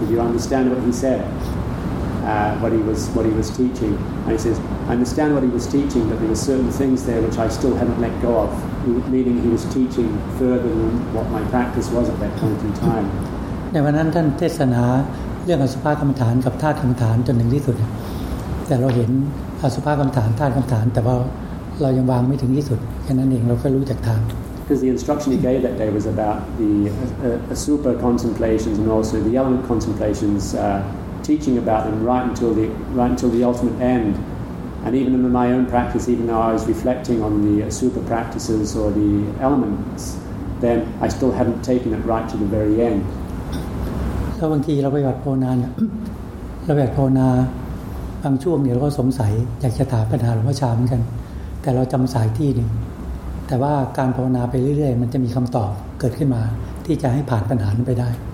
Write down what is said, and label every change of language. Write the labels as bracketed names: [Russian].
[English] Did you understand what he said? What he was teaching? And he says, I understand what he was teaching, but there were certain things there which I still haven't let go of. Meaning he was teaching further than what my practice was at that point in time. [Thai] ในวันนั้นท่านเทศนาเรื่องอสุภกรรมฐานกับธาตุกรรมฐานจนถึงที่สุดแต่เราเห็นอสุภกรรมฐานธาตุกรรมฐานแต่ว่าเรายังวางไม่ถึงที่สุดแค่นั้นเองเราก็รู้จักทาง [English] Because the instruction he gave that day was about the super contemplations and also the element contemplations teaching about them right until the ultimate end and even in my own practice even though I was reflecting on the super practices or the elements then I still hadn't taken it right to the very end [Thai] ถ้าบางทีเราไปวัดโพนาเนี่ยเราแบบโพนาบางช่วงเนี่ยเราก็สงสัยอยากจะถามปัญหาหลวงพ่อชาเหมือนกันแต่เราจำสายที่หนึ่งแต่ว่าการโพนาไปเรื่อยๆมันจะมีคำตอบเกิดขึ้นมาที่จะให้ผ่านปัญหานั้นไปได้